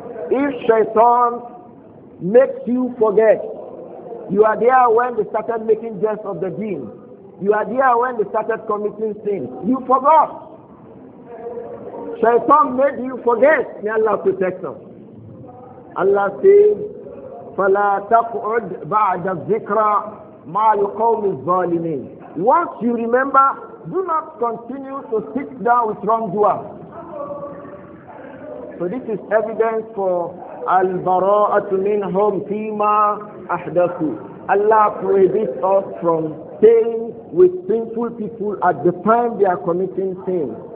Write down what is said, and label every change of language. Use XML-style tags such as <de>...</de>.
<en>If shaitan makes you forget, you are there when they started making jest of the deen. You are there when they started committing sins. You forgot. Shaitan made you forget. May Allah protect us. Allah says,</en> <ar>فَلَا تَقْعُدْ بَعْدَ الذِّكْرَ مَا الْقَوْمِ الظَّالِمِينَ.</ar> <en>Once you remember, do not continue to sit down with wrongdoers. So this is evidence for</en> <ar>al-bara'atu minhum fima ahdathu.</ar> <en>Allah prohibits us from staying with sinful people at the time they are committing sin.</en>